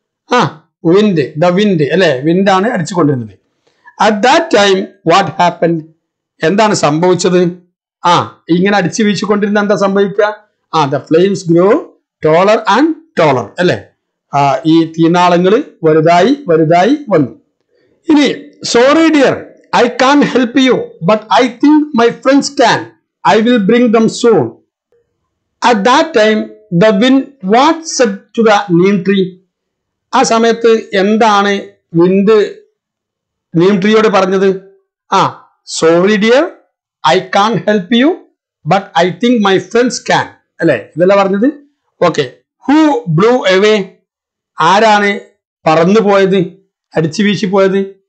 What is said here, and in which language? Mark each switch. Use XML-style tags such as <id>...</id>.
<ml>ആ wind, the wind അല്ലെ, wind ആണ് അടിച്ചുകൊണ്ടിരുന്നത്.</ml> <en>at that time what happened,</en> <ml>എന്താണ് സംഭവിച്ചത്? ആ ഇങ്ങനെ അടിച്ചു വീശിക്കൊണ്ടിരുന്ന എന്താ സംഭവിക്കുക? ആ</ml> <en>the flames grow taller and taller</en> <ml>അല്ലെ, ആ ഈ തീനാളങ്ങൾ വലുതായി വന്നു.</ml> <en>ഇനി sorry dear, I can't help you, but I think my friends can. I will bring them soon. At that time, the wind what said to the neem tree?</en> <ml>ആ സമയത്ത് എന്താണ് wind Neem ട്രീയോട് പറഞ്ഞത്?</ml> <en>ആ sorry dear, I can help you, but I think my friends can</en> <ml>അല്ലേ, ഇതെല്ലാം പറഞ്ഞത്. Okay,</ml> <en>who blew away,</en> <ml>ആരാണ് പറന്നു പോയത്, അടിച്ചു വീശി പോയത്?</ml>